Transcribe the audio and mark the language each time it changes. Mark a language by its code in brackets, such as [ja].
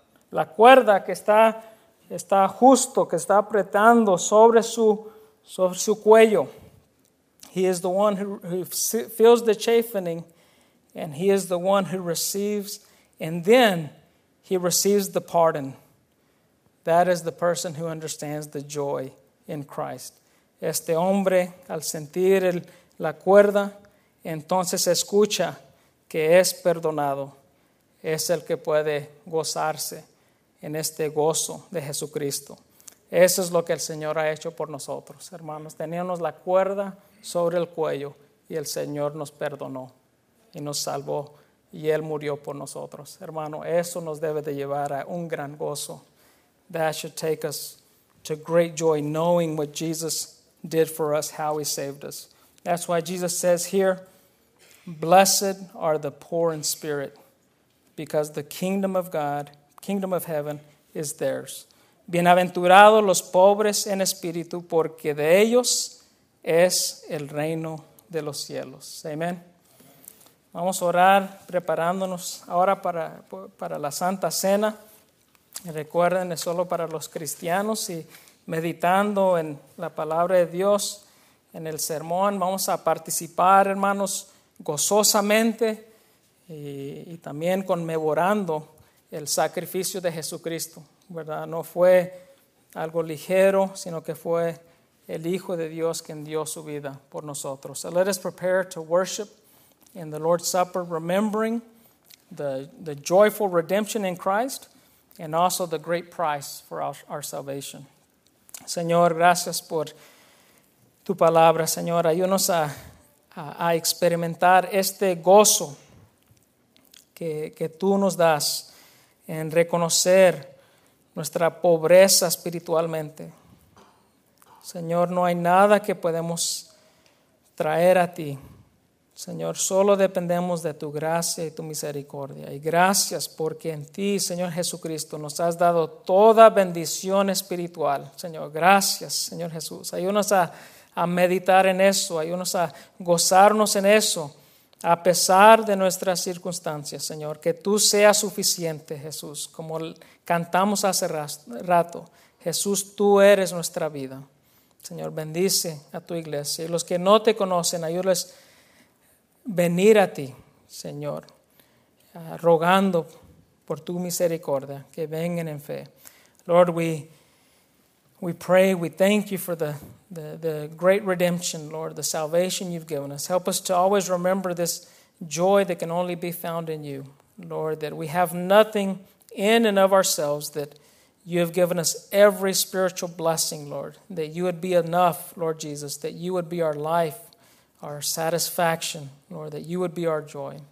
[es] La cuerda que está justo, que está apretando sobre su cuello. [en] He is the one who feels the chafing, and he is the one who receives, and then he receives the pardon. That is the person who understands the joy in Christ. [es] Este hombre, al sentir la cuerda, entonces escucha que es perdonado. Es el que puede gozarse en este gozo de Jesucristo. Eso es lo que el Señor ha hecho por nosotros, hermanos. Teníamos la cuerda sobre el cuello y el Señor nos perdonó y nos salvó. Y Él murió por nosotros. Hermano, eso nos debe de llevar a un gran gozo. [en] That should take us to great joy, knowing what Jesus did for us, how he saved us. That's why Jesus says here, blessed are the poor in spirit, because the kingdom of God, kingdom of heaven, is theirs. [es] Bienaventurados los pobres en espíritu, porque de ellos es el reino de los cielos. Amen. Vamos a orar preparándonos ahora para la Santa Cena. Recuerden, es solo para los cristianos, y meditando en la palabra de Dios, en el sermón, vamos a participar, hermanos, gozosamente y también conmemorando el sacrificio de Jesucristo, ¿verdad? No fue algo ligero, sino que fue el Hijo de Dios quien dio su vida por nosotros. [en] So let us prepare to worship in the Lord's Supper, remembering the joyful redemption in Christ, and also the great price for our salvation. [es] Señor, gracias por tu palabra. Señor, ayúdanos a experimentar este gozo que tú nos das en reconocer nuestra pobreza espiritualmente. Señor, no hay nada que podemos traer a ti. Señor, solo dependemos de tu gracia y tu misericordia. Y gracias porque en ti, Señor Jesucristo, nos has dado toda bendición espiritual. Señor, gracias, Señor Jesús. Ayúdanos a meditar en eso. Ayúdanos a gozarnos en eso, a pesar de nuestras circunstancias, Señor. Que tú seas suficiente, Jesús. Como cantamos hace rato, Jesús, tú eres nuestra vida. Señor, bendice a tu iglesia. Y los que no te conocen, ayúdales venir a ti, Señor, rogando por tu misericordia, que vengan en fe. [en] Lord, we pray, we thank you for the great redemption, Lord, the salvation you've given us. Help us to always remember this joy that can only be found in you, Lord, that we have nothing in and of ourselves, that you have given us every spiritual blessing, Lord, that you would be enough, Lord Jesus, that you would be our life, our satisfaction, Lord, that you would be our joy.